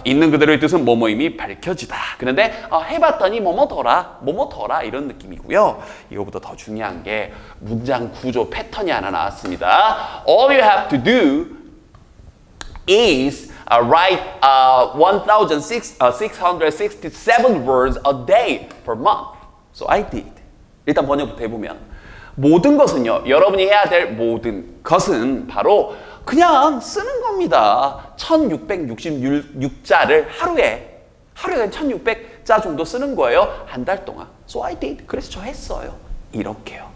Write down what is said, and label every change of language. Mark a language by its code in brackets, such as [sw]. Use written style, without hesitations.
[ko] 있는 그대로의 뜻은 뭐뭐임이 밝혀지다. 그런데 해봤더니 뭐뭐더라, 뭐뭐더라 이런 느낌이고요. 이거보다 더 중요한 게 문장 구조 패턴이 하나 나왔습니다. [en] All you have to do is write 1,667 words a day per month. So I did. [ko] 일단 번역부터 해보면 모든 것은요, 여러분이 해야 될 모든 것은 바로 그냥 쓰는 겁니다. 1,666자를 하루에 1,600자 정도 쓰는 거예요. 한 달 동안. [en] So I did. [ko] 그래서 저 했어요. 이렇게요.